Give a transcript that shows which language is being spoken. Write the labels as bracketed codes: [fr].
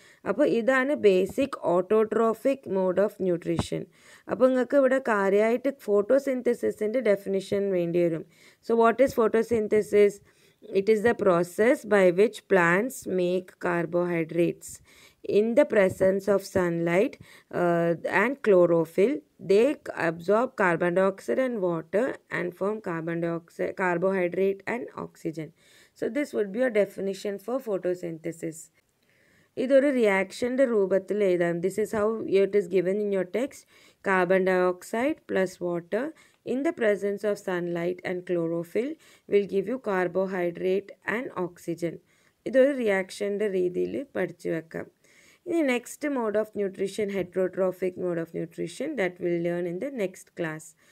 [ml] അപ്പോൾ ഇതാണ് basic autotrophic mode of nutrition. അപ്പോൾ നിങ്ങൾക്ക് ഇവിടെ കാര്യമായിട്ട് ഫോട്ടോസിന്തസിസിൻ്റെ ഡെഫിനിഷൻ വേണ്ടി വരും. [en] So what is photosynthesis? It is the process by which plants make carbohydrates. in the presence of sunlight and chlorophyll, they absorb carbon dioxide and water and form carbon dioxide, carbohydrate and oxygen. So this would be a definition for photosynthesis. [ml] ഇതൊരു റിയാക്ഷൻ്റെ രൂപത്തിൽ എഴുതാം. [en] This is how it is given in your text. Carbon dioxide plus water in the presence of sunlight and chlorophyll will give you carbohydrate and oxygen. [ml] ഇതൊരു റിയാക്ഷൻ്റെ രീതിയിൽ പഠിച്ചു വെക്കാം. ഇനി next mode of nutrition, heterotrophic mode of nutrition, [en] That will learn in the next class.